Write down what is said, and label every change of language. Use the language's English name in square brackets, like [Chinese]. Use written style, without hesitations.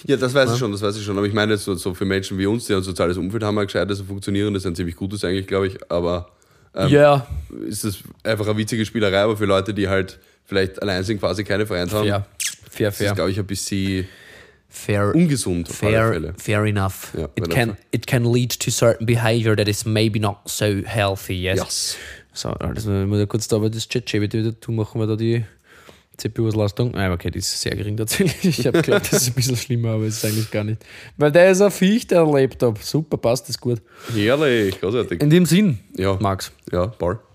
[German] Ja, das weiß ich schon. Aber ich meine, so für Menschen wie uns, die ein soziales Umfeld haben, ein gescheites und funktionierendes, ein ziemlich gutes eigentlich, glaube ich, aber ist das einfach eine witzige Spielerei, aber für Leute, die halt vielleicht allein sind, quasi keine Freunde haben, fair. Ist, glaube ich, ein bisschen. Fair, ungesund auf fair, alle Fälle. [English] Fair enough. [German] Ja, [English] it can lead to certain behavior that is maybe not so healthy. Yes. [German] So, also, ich muss ja kurz da bei das ChatGPT wieder tun, machen wir da die CPU-Auslastung. Nein, okay, die ist sehr gering tatsächlich. Ich habe gedacht, das ist ein bisschen schlimmer, aber es ist eigentlich gar nicht. Weil der ist ein Viech, der Laptop. Super, passt das gut. Herrlich, großartig. In dem Sinn, ja. Max. Ja, Paul.